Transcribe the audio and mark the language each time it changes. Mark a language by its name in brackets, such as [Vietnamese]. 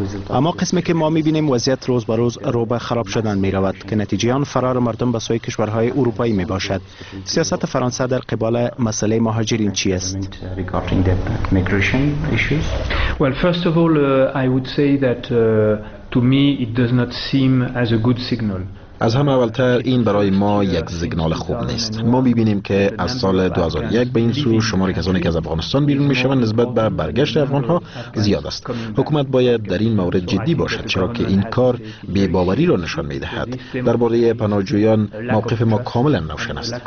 [Persian] اما قسمی که ما می‌بینیم وضعیت روز به روز رو به خراب شدن می‌رود که نتیجه آن فرار مردم به سوی کشورهای اروپایی می‌باشد. سیاست فرانسه در قبال مسئله مهاجرین چی است؟ [English] Well, first of all, I would say that to me it does not seem as a good signal. [Persian] از همه اولتر این برای ما یک سیگنال خوب نیست. ما می‌بینیم که از سال 2001 به این سو شمار کسانی که از افغانستان بیرون می‌شوند نسبت به برگشت افغان‌ها زیاد است. حکومت باید در این مورد جدی باشد چرا که این کار بی‌باوری را نشان می‌دهد. درباره پناهجویان موقف ما کاملاً روشن است.